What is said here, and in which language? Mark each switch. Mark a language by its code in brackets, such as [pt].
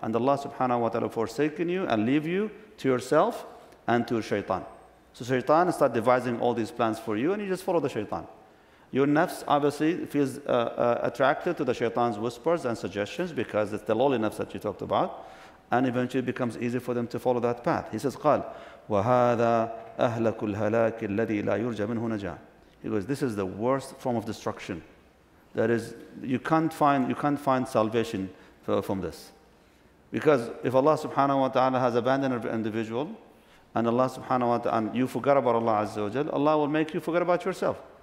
[en] And Allah subhanahu wa ta'ala forsaken you and leave you to yourself and to shaytan. So shaytan start devising all these plans for you and you just follow the shaytan. Your nafs obviously feels attracted to the shaytan's whispers and suggestions because it's the lowly nafs that you talked about. And eventually it becomes easy for them to follow that path. He says, [ar] قال وَهَذَا أَهْلَكُ الْهَلَاكِ الَّذِي لَا يُرْجَى مِنْهُ نَجَاءً. [en] He goes, this is the worst form of destruction. That is, you can't find salvation from this. Because if Allah subhanahu wa ta'ala has abandoned an individual, and Allah subhanahu wa ta'ala, and you forgot about Allah azza wa jal, Allah will make you forget about yourself.